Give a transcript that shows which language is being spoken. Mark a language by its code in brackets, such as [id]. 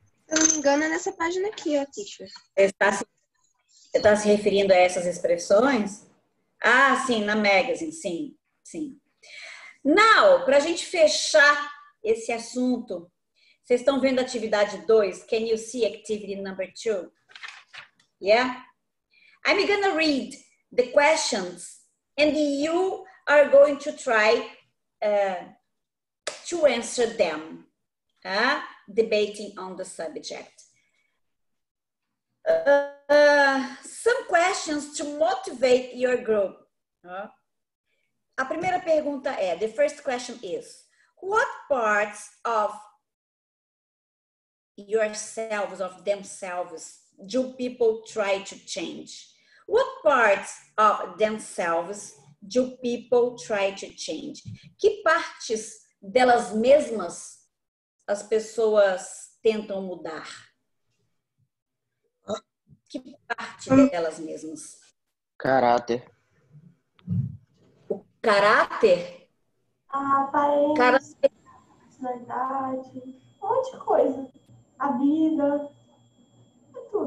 [pt] Se não me engano, é nessa página aqui, ó, teacher. Você está se referindo a essas expressões? Ah, sim, na Magazine, sim, sim. Now, para a gente fechar esse assunto, vocês estão vendo a atividade 2? [en] Can you see activity number 2? Yeah? I'm going to read the questions and you are going to try to answer them. Debating on the subject. Some questions to motivate your group. [pt] A primeira pergunta é, [en] the first question is, what parts of yourselves, of themselves, do people try to change? What parts of themselves do people try to change? [pt] Que partes delas mesmas as pessoas tentam mudar? Que parte delas mesmas? Caráter. O caráter? A aparência. Personalidade. Um monte de coisa. A vida. É tudo.